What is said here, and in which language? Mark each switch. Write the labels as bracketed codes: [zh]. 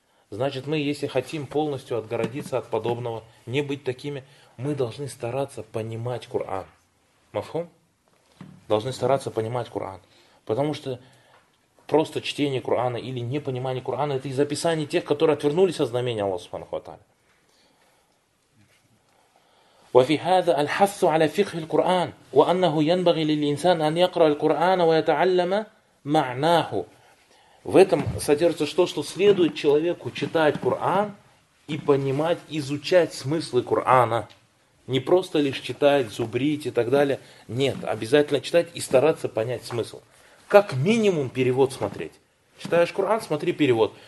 [ru] Значит, мы, если хотим полностью отгородиться от подобного, не быть такими, мы должны стараться понимать Коран. Мафхум? Должны стараться понимать Коран. Потому что просто чтение Корана или непонимание Корана, это из описаний тех, которые отвернулись от знамения Аллаха Субханаху ва Тааля. [ar] وفي هذا الحث على فقه القرآن وأنه ينبغي للإنسان أن يقرأ القرآن ويتعلم معناه. [ru] В этом содержится то, что следует человеку читать Коран и понимать, изучать смыслы Корана. Не просто лишь читать, зубрить и так далее. Нет, обязательно читать и стараться понять смысл. Как минимум перевод смотреть. Читаешь Коран, смотри перевод.